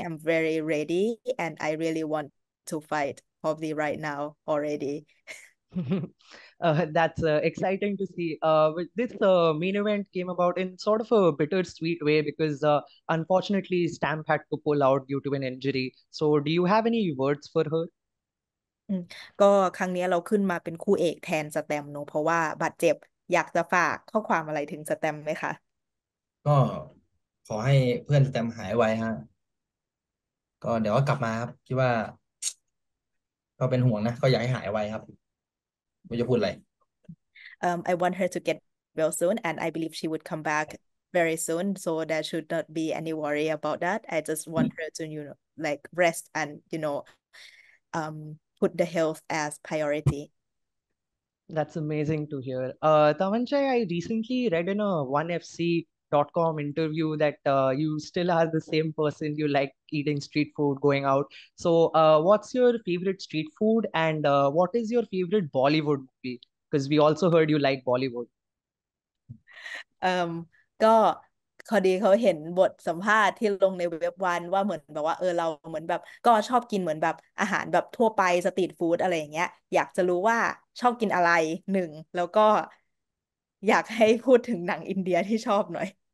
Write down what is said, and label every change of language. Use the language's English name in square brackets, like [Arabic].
[English] I'm very ready, and I really want to fight probably right now already. that's exciting to see. This main event came about in sort of a bittersweet way because unfortunately Stamp had to pull out due to an injury. So do you have any words for her? [Thai] ก็ครั้งนี้เราขึ้นมาเป็นคู่เอกแทนสแตมเนาะเพราะว่าบาดเจ็บอยากจะฝากข้อความอะไรถึงสแตมไหมคะ ก็ขอให้เพื่อนสแตมหายไวฮะก็เดี๋ยวก็กลับมาครับคิดว่าก็เป็นห่วงนะก็อยากให้หายไวครับไม่จะพูดอะไร [English] I want her to get well soon and I believe she would come back very soon so there should not be any worry about that I just want her to you know like rest and you know put the health as priority. That's amazing to hear. Tavanchai, I recently read in a 1FC.com interview that you still are the same person. You like eating street food, going out. So, what's your favorite street food and what is your favorite Bollywood movie? Because we also heard you like Bollywood. [Thai] ก็คอดีเขาเห็นบทสัมภาษณ์ที่ลงในเว็บวันว่าเหมือนแบบว่าเราเหมือนแบบก็ชอบกินเหมือนแบบอาหารแบบทั่วไปสตรีทฟู้ดอะไรอย่างเงี้ยอยากจะรู้ว่าชอบกินอะไรหนึ่งแล้วก็อยากให้พูดถึงหนังอินเดียที่ชอบหน่อย